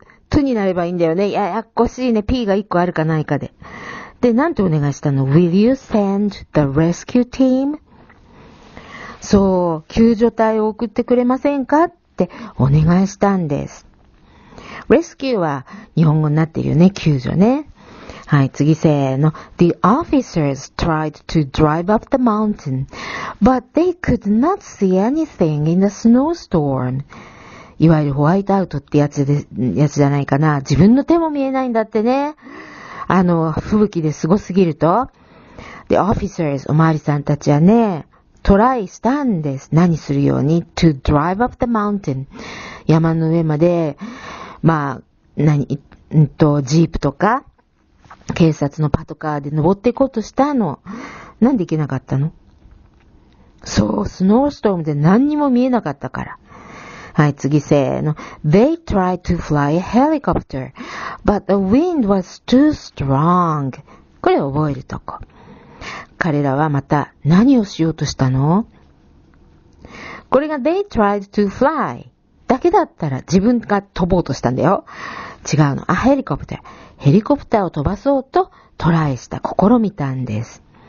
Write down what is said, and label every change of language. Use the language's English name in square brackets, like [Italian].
[Japanese] to になればいいんだよね。ややこしいね。p が一個あるかないかで。で、なんてお願いしたの？ [English] Will you send the rescue team? [Japanese] そう、救助隊を送ってくれませんかってお願いしたんです。レスキューは日本語になってるよね、救助ね。はい、次せーの。 [English] The officers tried to drive up the mountain, but they could not see anything in the snowstorm. [Japanese] いわゆるホワイトアウトってやつじゃないかな。自分の手も見えないんだってね。あの、吹雪ですごすぎると。 The officers, おまわりさんたちはね、トライしたんです。何するように ? [English] to drive up the mountain. [Japanese] 山の上まで、まあ、ジープとか、警察のパトカーで登っていこうとしたの。なんで行けなかったの？そう、スノーストームで何にも見えなかったから。はい、次せーの。 [English] They tried to fly a helicopter, but the wind was too strong. [Japanese] これ覚えるとこ。彼らはまた何をしようとしたの？これが [English] they tried to fly [Japanese] だけだったら自分が飛ぼうとしたんだよ。違うの。あ、ヘリコプター。ヘリコプターを飛ばそうとトライした、試みたんです。